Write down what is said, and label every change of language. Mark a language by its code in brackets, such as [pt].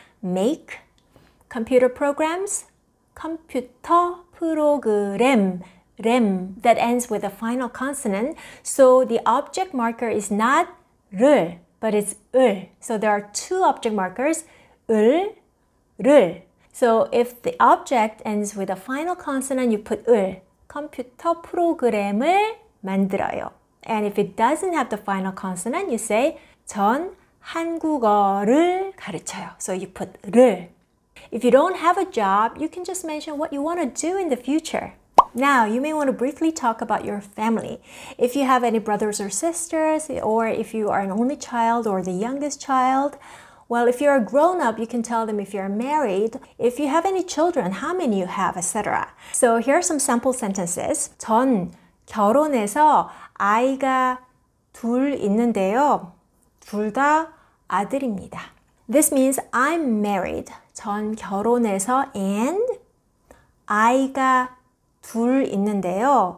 [en] Make computer programs. [ko] 컴퓨터 프로그램. [en] Rem, that ends with a final consonant. So the object marker is not 를, but it's 을. So there are two object markers, 을, 를. So if the object ends with a final consonant, you put 을. [ko] 컴퓨터 프로그램을 만들어요. [en] And if it doesn't have the final consonant, you say [ko] 전 한국어를 가르쳐요. [en] So you put 를. If you don't have a job, you can just mention what you want to do in the future. Now, you may want to briefly talk about your family. If you have any brothers or sisters, or if you are an only child or the youngest child, well, if you're a grown-up, you can tell them if you're married. If you have any children, how many you have, etc. So here are some sample sentences. [ko] 전 결혼해서 아이가 둘 있는데요. 둘 다 아들입니다. [en] This means I'm married. [ko] 전 결혼해서 [en] and [ko] 아이가 둘 있는데요.